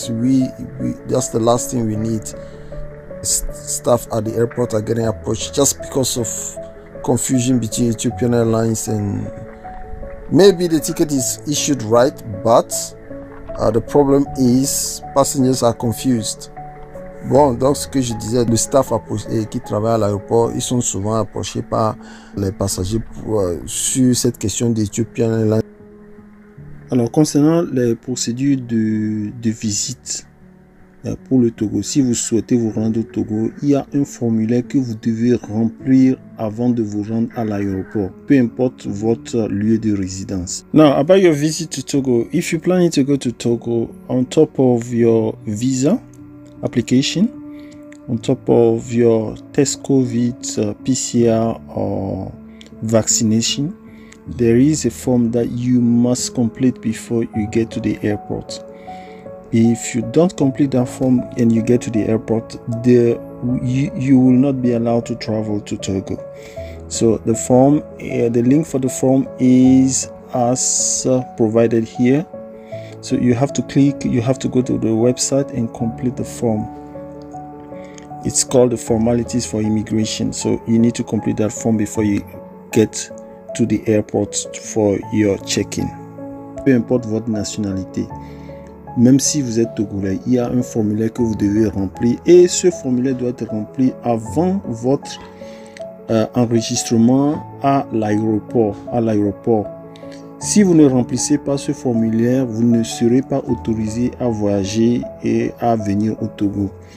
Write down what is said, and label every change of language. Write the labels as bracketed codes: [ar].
[en] We that's the last thing we need. Staff at the airport are getting approached just because of confusion between Ethiopian Airlines and maybe the ticket is issued right, but the problem is passengers are confused. [fr] Bon, donc ce que je disais, le staff qui travaille à l'aéroport, ils sont souvent approchés par les passagers sur cette question d'Ethiopian Airlines. Alors, concernant les procédures de visite pour le Togo, si vous souhaitez vous rendre au Togo, il y a un formulaire que vous devez remplir avant de vous rendre à l'aéroport, peu importe votre lieu de résidence. [en] Now, about your visit to Togo, if you're planning to go to Togo, on top of your visa application, on top of your test COVID, PCR or vaccination, There is a form that you must complete before you get to the airport. If you don't complete that form and you get to the airport, you will not be allowed to travel to Togo. So the form, the link for the form is as provided here. So you have to click, you have to go to the website and complete the form. It's called the Formalities for Immigration. So you need to complete that form before you get to the airport for your check-in. [fr] Peu importe votre nationalité, même si vous êtes Togolais, il y a un formulaire que vous devez remplir et ce formulaire doit être rempli avant votre enregistrement à l'aéroport. Si vous ne remplissez pas ce formulaire, vous ne serez pas autorisé à voyager et à venir au Togo.